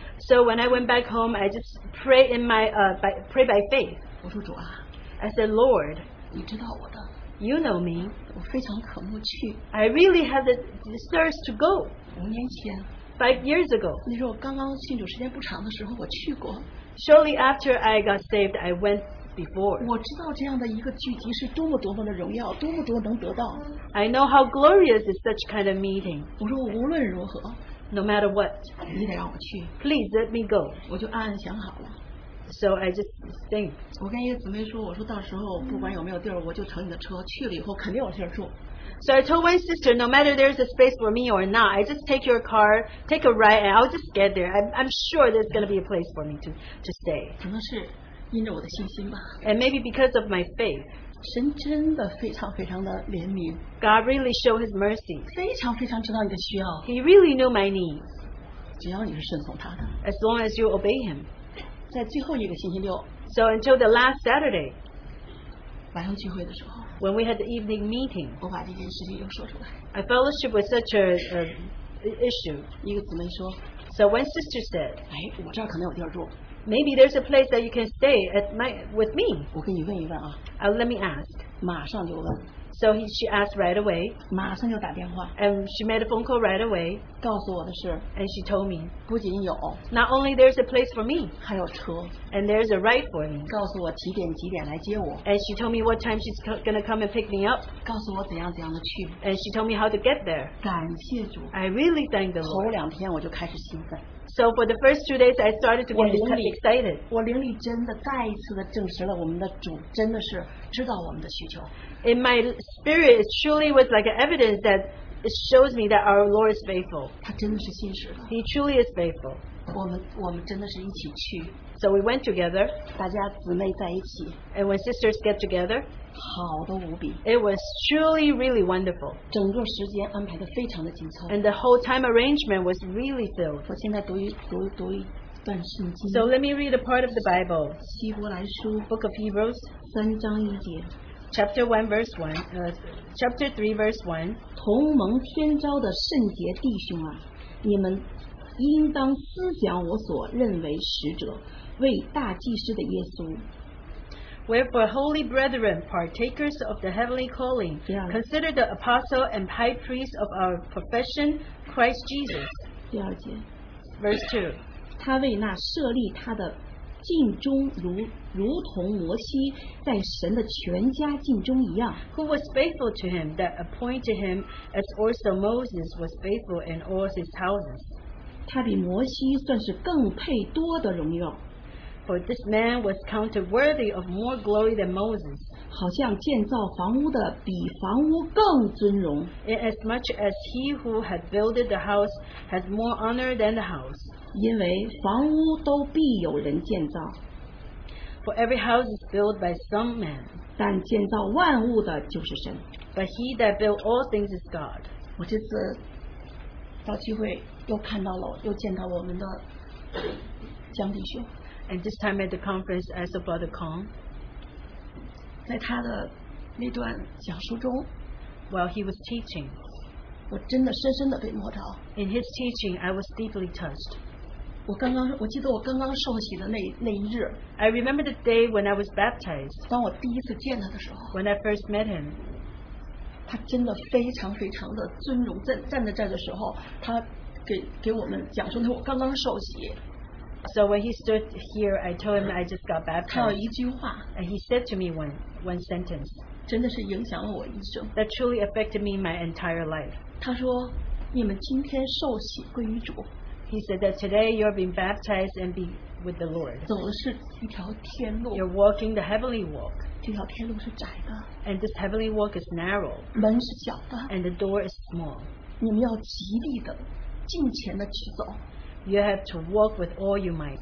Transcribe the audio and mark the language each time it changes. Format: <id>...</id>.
<en>So when I went back home, I just pray in my pray by faith.</en> <zh>我说主啊。</zh> <en>I said Lord.</en> <zh>你知道我的。</zh> <en>You know me.</en> <zh>我非常渴慕去。</zh> <en>I really have the desire to go.</en> <zh>五年前。</zh> <en>Five years ago.</en> <zh>那时候刚刚信主时间不长的时候，我去过。</zh> <en>Shortly after I got saved, I went. Before.</en> <zh>我知道这样的一个聚集是多么多么的荣耀，多么多么能得到。</zh> <en>I know how glorious is such kind of meeting.</en> <zh>我说无论如何</zh> <en>，no matter what，</en> <zh>你得让我去。</zh> <en>Please let me go.</en> <zh>我就暗暗想好了。</zh> <en>So I just think.</en> <zh>我跟一个姊妹说，我说到时候不管有没有地儿，我就乘你的车去了以后，肯定有地儿住。</zh> <en>So I told my sister, no matter there's a space for me or not, I just take your car, take a ride, and I'll just get there. I'm sure there's going to be a place for me to stay.</en> <zh>可能是。因着我的信心吧。</zh> <en>And maybe because of my faith.</en> <zh>神真的非常非常的怜悯。</zh> <en>God really showed his mercy.</en> <zh>非常非常知道你的需要。</zh> <en>He really knew my needs.</en> <zh>只要你是顺从他的。</zh> <en>As long as you obey him.</en> <zh>在最后一个星期六。</zh> <en>So until the last Saturday.</en> <zh>晚上聚会的时候。</zh> <en>When we had the evening meeting.</en> <zh>我把这件事情又说出来。</zh> <en>I fellowship with such a issue.</en> <zh>一个姊妹说。</zh> <en>So one sister said.</en> <zh>哎，我这儿可能有地儿住。</zh> <en>Maybe there's a place that you can stay with me.</en> <zh>我给你问一问啊。</zh> <en>Let me ask.</en> <zh>马上就问。</zh> <en>So he, she asked right away.</en> <zh>马上就打电话。</zh> <en>And she made a phone call right away.</en> <zh>告诉我的是。</zh> <en>And she told me.</en> <zh>不仅有。</zh> <en>Not only there's a place for me.</en> <zh>还有车。</zh> <en>And there's a ride for me.</en> <zh>告诉我几点几点来接我。</zh> <en>And she told me what time she's gonna come and pick me up.</en> <zh>告诉我怎样怎样的去。</zh> <en>And she told me how to get there.</en> <zh>感谢主。</zh> <en>I really thank the Lord.</en> <zh>头两天我就开始兴奋。</zh> <en>So for the first 2 days, I started to get excited.</en> <zh>我灵里真的再一次的证实了我们的主真的是知道我们的需求。</zh> <en>In my spirit, it truly was like an evidence that it shows me that our Lord is faithful.</en> <zh>他真的是信实的。</zh> <en>He truly is faithful.</en> <zh>我们真的是一起去。</zh> <en>So we went together.</en> <zh>大家姊妹在一起。</zh> <en>And when sisters get together,</en> <zh>好的无比。</zh> <en>It was truly, really wonderful.</en> <zh>整个时间安排得非常的紧凑。</zh> <en>And the whole time arrangement was really filled.</en> <zh>我现在读一段圣经。</zh> <en>So let me read a part of the Bible.</en> <zh>希伯来书。</zh> <en>Book of Hebrews.</en> <zh>三章一节。</zh> <en>Chapter 1, verse 1. Chapter 3, verse 1.</en> <zh>同盟天召的圣洁弟兄啊，你们应当思想我所认为使者为大祭司的耶稣。</zh> <en>Wherefore, holy brethren, partakers of the heavenly calling, yeah. Consider the apostle and high priest of our profession, Christ Jesus.</en> <zh>第二节。</zh> <en>Verse 2.</en> <zh>他为那设立他的敬忠 如同摩西在神的全家敬忠一样。</zh> <en>Who was faithful to him that appointed him as also Moses was faithful in all his houses.</en> <zh>他比摩西算是更配多的荣耀。</zh> <en>For this man was counted worthy of more glory than Moses.</en> <zh>好像建造房屋的比房屋更尊荣。</zh> <en>Inasmuch as he who had built the house had more honor than the house.</en> <zh>因为房屋都必有人建造。</zh> <en>For every house is built by some man.</en> <zh>但建造万物的就是神。</zh> <en>But he that built all things is God.</en> <zh>我这次到聚会又看到了，又见到我们的江弟兄。</zh> <en>And this time at the conference, I saw Brother Kong.</en> <zh>在他的那段讲述中</zh> <en>while he was teaching,</en> <zh>我真的深深的被摸着。</zh> <en>In his teaching, I was deeply touched.</en> <zh>我记得我刚刚受洗的那一日。</zh> <en>I remember the day when I was baptized.</en> <zh>当我第一次见他的时候。</zh> <en>When I first met him.</en> <zh>他真的非常非常的尊荣，站在这的时候，他给我们讲述，我刚刚受洗。</zh> <en>So when he stood here, I told him I just got baptized.</en> <zh>他有一句话。</zh> <en>And he said to me one sentence.</en> <zh>真的是影响了我一生。</zh> <en>That truly affected me my entire life.</en> <zh>他说，你们今天受洗归于主。</zh> <en>He said that today you're being baptized and be with the Lord.</en> <zh>走的是一条天路。</zh> <en>You're walking the heavenly walk.</en> <zh>这条天路是窄的。</zh> <en>And this heavenly walk is narrow.</en> <zh>门是小的。</zh> <en>And the door is small.</en> <zh>你们要极力的、尽前的去走。</zh> <en>You have to walk with all your might.</en>